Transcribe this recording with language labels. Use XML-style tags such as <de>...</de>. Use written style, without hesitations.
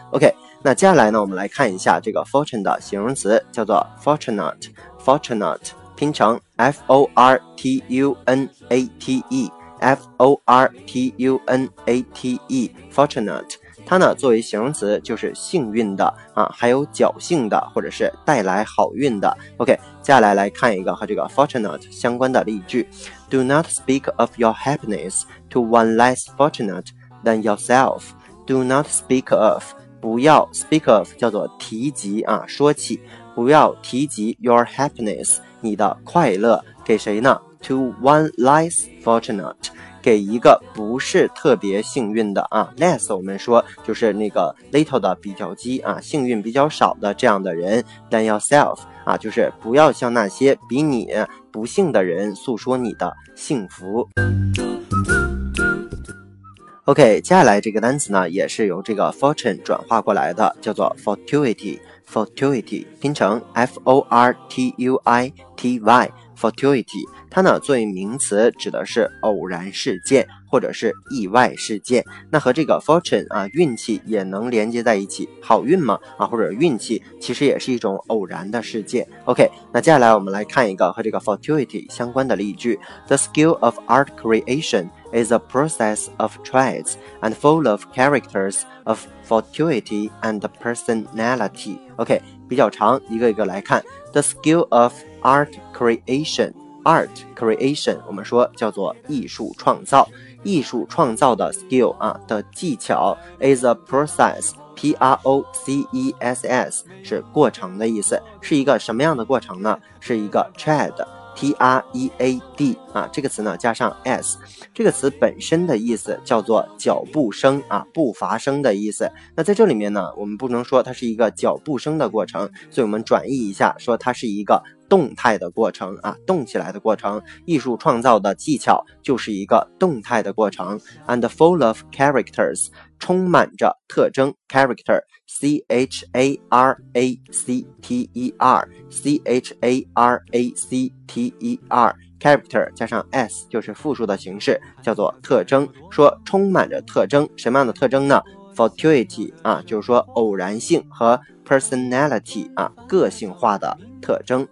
<zh>OK， 那接下来呢，我们来看一下这个 fortune 的形容词，叫做 fortunate， 拼成 fortunate，F-O-R-T-U-N-A-T-E Fortunate， 它呢作为形容词就是幸运的啊，还有侥幸的，或者是带来好运的。 OK， 接下来来看一个和这个 fortunate 相关的例句。</zh> <en>Do not speak of your happiness to one less fortunate than yourself. Do not speak of，</en> <zh>不要</zh> <en>speak of</en> <zh>叫做提及啊，说起，不要提及</zh> <en>your happiness，</en> <zh>你的快乐给谁呢？</zh> <en>To one less fortunate，</en> <zh>给一个不是特别幸运的啊。 Less 我们说就是那个 little 的比较级啊，幸运比较少的这样的人。</zh> <en>Than yourself</en> <zh>啊，就是不要向那些比你不幸的人诉说你的幸福。 OK， 接下来这个单词呢，也是由这个 fortune 转化过来的，叫做 fortuity。 Fortuity 拼成 F-O-R-T-U-I-T-Y。 Fortuity 它呢作为名词指的是偶然事件或者是意外事件，那和这个 fortune 啊运气也能连接在一起，好运嘛啊，或者运气其实也是一种偶然的事件。 OK， 那接下来我们来看一个和这个 fortuity 相关的例句。 The skill of art creation is a process of traits and full of characters of fortuity and personality。 OK， 比较长，一个一个来看。</zh> <en>The skill ofArt creation</en> <zh>我们说叫做艺术创造，艺术创造的 skill 啊的技巧。</zh> <en>is a process，</en> <zh>P-R-O-C-E-S-S 是过程的意思，是一个什么样的过程呢？是一个 trade，T-R-E-A-D 啊，这个词呢加上 S， 这个词本身的意思叫做脚步声啊，步伐声的意思。那在这里面呢，我们不能说它是一个脚步声的过程，所以我们转译一下，说它是一个动态的过程啊，动起来的过程。艺术创造的技巧就是一个动态的过程。</zh> <en>And full of characters，</en> <zh>充满着特征。 Character C-H-A-R-A-C-T-E-R C-H-A-R-A-C-T-E-R Character 加上 S 就是复数的形式，叫做特征。说充满着特征，什么样的特征呢？Fortuity 啊，就是说偶然性，和 Personality 啊，个性化的特征。</zh>